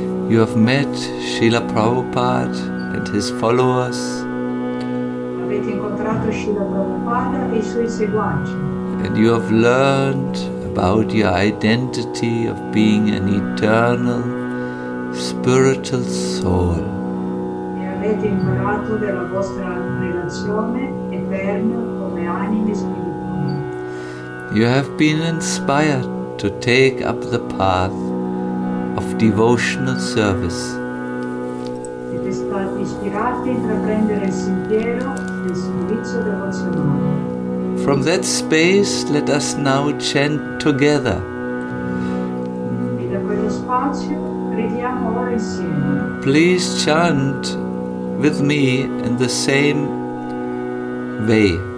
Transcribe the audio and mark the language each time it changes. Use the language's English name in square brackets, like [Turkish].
[English] You have met Srila Prabhupada and his followers. [Italian] Avete incontrato Srila Prabhupada e i suoi seguaci. [English] And you have learned about your identity of being an eternal spiritual soul. [Italian] E avete imparato della vostra relazione eterna come anime spirituali. [English] You have been inspired to take up the path of devotional service. [Italian] Siete stati ispirati a intraprendere il sentiero del servizio devozionale. [English] From that space, let us now chant together. [Italian] E da quello spazio, preghiamo ora insieme. [English] Please chant with me in the same way.